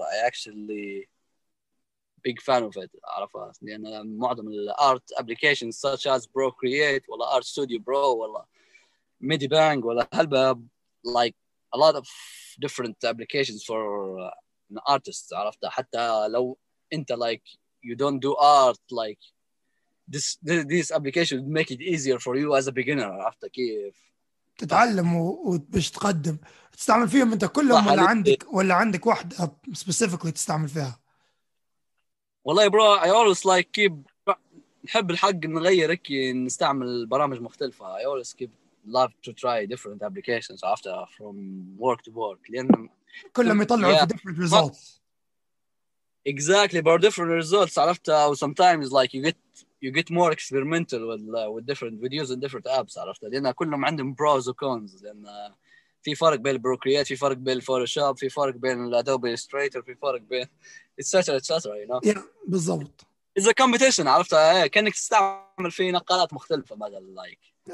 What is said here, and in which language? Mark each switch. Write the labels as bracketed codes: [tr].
[ar] I actually big fan of it. عرفت لأن يعني معظم الارت [en] applications such as Procreate [ar] ولا Art Studio Pro ولا MidiBang ولا هلبا [en] like a lot of different applications for an artist. [ar] عرفت حتى لو أنت [en] like you don't do art like This application would make it easier for you as a beginner after Kiev. [ar] تتعلم وبش تقدم تستعمل فيهم أنت كلهم ولا عندك واحدة specifically تستعمل فيها؟ والله يا bro, [en] I always like keep [ar] نحب الحق نغير كي نستعمل برامج مختلفة. [en] I always keep love to try different applications after from work to work. لأن [ar] كلهم يطلعوا [en] yeah. different results. Exactly, but different results. [ar] عرفت [en] sometimes like you get more experimental with different videos and different apps. [ar] عرفت لأن كلهم عندهم [en] pros and cons. [ar] لأن في فرق بين Procreate, في فرق بين Photoshop, في فرق بين Adobe Illustrator, في فرق بين etc. [en] You know. [ar] Yeah, بالضبط. [en] It's a competition. [ar] عرفت كأنك تستعمل في نقالات مختلفة ماذا like.